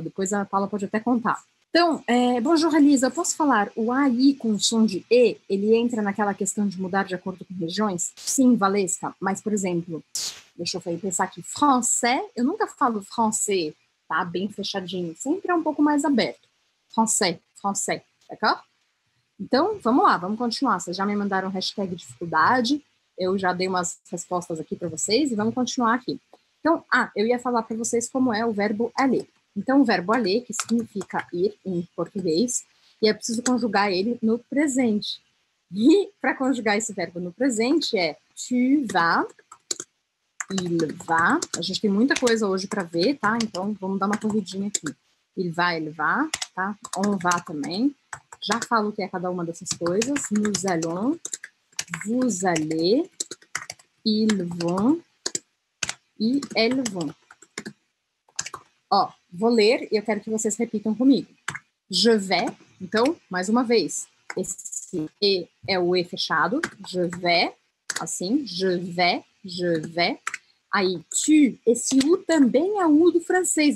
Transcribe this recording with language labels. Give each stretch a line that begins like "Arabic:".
Portuguese: Depois a Paula pode até contar. Então, bonjour, Elisa, eu posso falar o AI com o som de E, ele entra naquela questão de mudar de acordo com regiões? Sim, Valesca, mas, por exemplo, deixa eu pensar aqui, français, eu nunca falo français, tá, bem fechadinho, sempre é um pouco mais aberto.
French: Français, français, d'accord?
Portuguese: Então, vamos lá, vamos continuar. Vocês já me mandaram hashtag dificuldade, eu já dei umas respostas aqui para vocês e vamos continuar aqui. Então, eu ia falar para vocês como é o verbo aller. Então, o verbo aller, que significa ir em português, e eu preciso conjugar ele no presente. E para conjugar esse verbo no presente é
French: tu vas, il va.
Portuguese: A gente tem muita coisa hoje para ver, tá? Então, vamos dar uma corridinha aqui.
French: Il va,
Portuguese: tá?
French: On va
Portuguese: também. Já falo o que é cada uma dessas coisas.
French: Nous allons, vous allez, ils vont. E elles vont.
Portuguese: Ó, vou ler e eu quero que vocês repitam comigo.
French: Je vais,
Portuguese: então, mais uma vez. Esse E é o E fechado.
French: Je vais,
Portuguese: assim.
French: Je vais, je vais.
Portuguese: Aí, tu, esse U também é o U do francês.